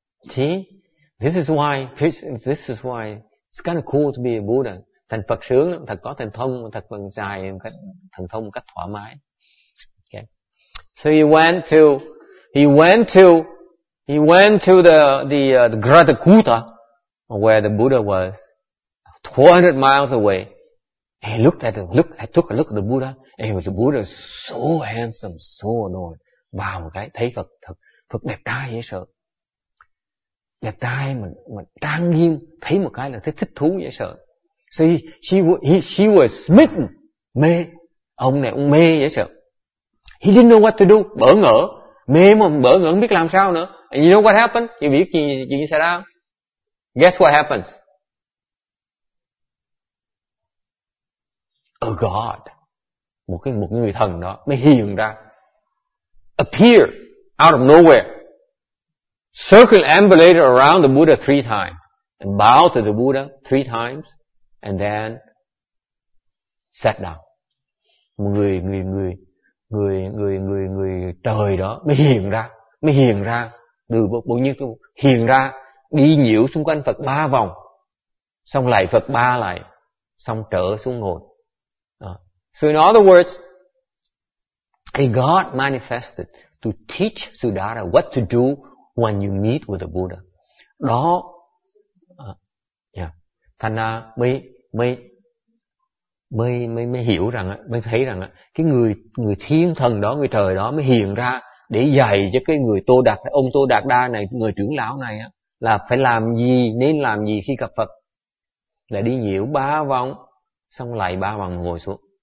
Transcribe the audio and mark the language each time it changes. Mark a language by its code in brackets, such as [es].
[en] See, this is why it's kind of cool to be a Buddha. [vi] Thành Phật sướng lắm, thật có thần thông, thật phần dài, thần thông cách thoải mái. Okay. [en] So he went to the Grotta Kuta, where the Buddha was, 200 miles away. And he looked at took a look at the Buddha, and he was, the Buddha was so handsome, so adored. [vi] Vào một cái thấy Phật thật Phật đẹp trai dễ sợ, đẹp trai mà trang nghiêm, thấy một cái là thấy thích thú dễ sợ. [en] So she was smitten, [vi] mê, ông này ông mê dễ sợ. [en] He didn't know what to do, [vi] bỡ ngỡ, mê mà bỡ ngỡ không biết làm sao nữa. [en] And you know what happened? [vi] You biết chuyện gì xảy ra? [en] Guess what happens? A god, [vi] một người thần đó mới hiện ra, [en] appear out of nowhere, circumambulated around the Buddha three times, and bowed to the Buddha three times, and then sat down. [vi] Người trời đó mới hiện ra từ bao nhiêu cái hiện ra, đi nhiễu xung quanh Phật ba vòng, xong lại Phật ba lại, xong trở xuống ngồi. [en] So in other words, a god manifested to teach Siddhartha what to do when you meet with the Buddha. [vi] Đó, thành ra mới hiểu rằng á, mới thấy rằng á, cái người thiên thần đó, người trời đó mới hiện ra để dạy cho cái người Tô Đạt, ông Tô Đạt Đa này, người trưởng lão này á, là phải làm gì, nên làm gì khi gặp Phật, là đi nhiễu ba vòng, xong lại ba vòng ngồi xuống.